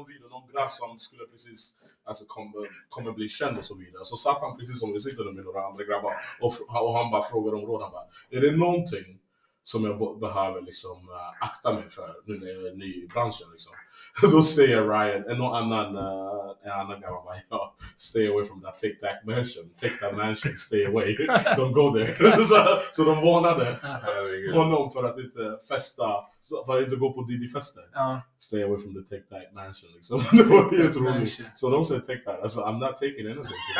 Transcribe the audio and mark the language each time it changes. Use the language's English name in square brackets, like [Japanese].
[Swedish] Någon graf som skulle precis alltså kommer bli känd och så vidare. Så satt han precis som vi sitter med några andra grabbar och han bara frågade om råd. Han bara, är det någonting som jag behöver liksom akta mig för nu när jag är ny i branschen liksom? Då säger Ryan, en annan grabbar bara, ja, [English] stay away from that, take that mansion, stay away, don't go there. [Swedish] så de varnade honom för att inte festa, för att inte gå på Didi-festen. Ja. [English] Stay away from the take that mansion [Swedish] liksom. Det var helt roligt. Så de säger [English] take that, alltså I'm not taking anything.